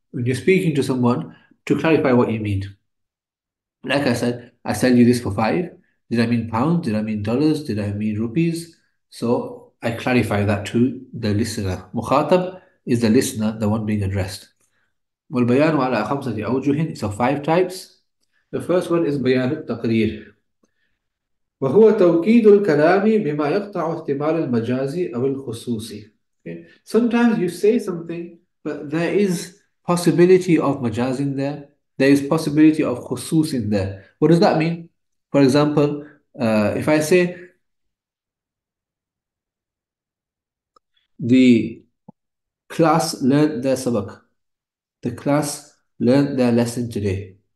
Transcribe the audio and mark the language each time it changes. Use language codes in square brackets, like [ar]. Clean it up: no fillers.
[en] when you're speaking to someone to clarify what you mean. Like I said, I sell you this for five. Did I mean pounds? Did I mean dollars? Did I mean rupees? So I clarify that to the listener. Mukhatab is the listener, the one being addressed. [ar] والبيان على خمسة أوجه, [en] it's of five types. The first one is [ar] بيان التقرير. وهو توكيد الكلام بما يقطع احتمال المجازي أو الخصوصي. [en] Okay. Sometimes you say something, but there is possibility of majaz in there. There is possibility of khusus in there. What does that mean? For example, if I say the class learned their sabak, the class learned their lesson today.